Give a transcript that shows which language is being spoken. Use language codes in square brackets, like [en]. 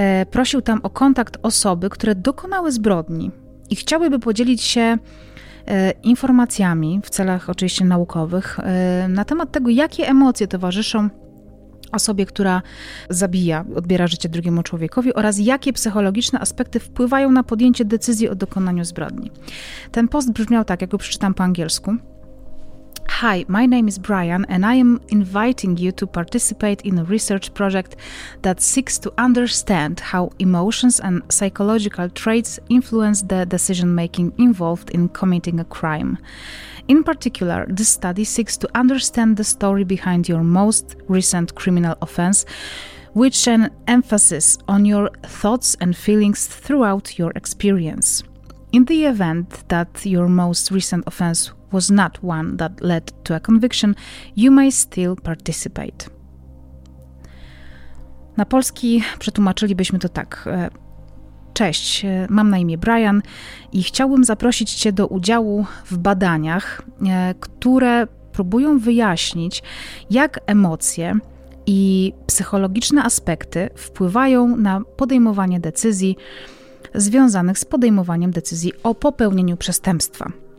[pl] Prosił tam o kontakt osoby, które dokonały zbrodni i chciałyby podzielić się informacjami w celach oczywiście naukowych na temat tego, jakie emocje towarzyszą osobie, która zabija, odbiera życie drugiemu człowiekowi oraz jakie psychologiczne aspekty wpływają na podjęcie decyzji o dokonaniu zbrodni. Ten post brzmiał tak, jak go przeczytam po angielsku. [en] Hi, my name is Brian and I am inviting you to participate in a research project that seeks to understand how emotions and psychological traits influence the decision-making involved in committing a crime. In particular, this study seeks to understand the story behind your most recent criminal offense, which an emphasis on your thoughts and feelings throughout your experience. In the event that your most recent offense was not one that led to a conviction, you may still participate. [pl] Na polski przetłumaczylibyśmy to tak. Cześć, mam na imię Brian i chciałbym zaprosić Cię do udziału w badaniach, które próbują wyjaśnić, jak emocje i psychologiczne aspekty wpływają na podejmowanie decyzji związanych z podejmowaniem decyzji o popełnieniu przestępstwa.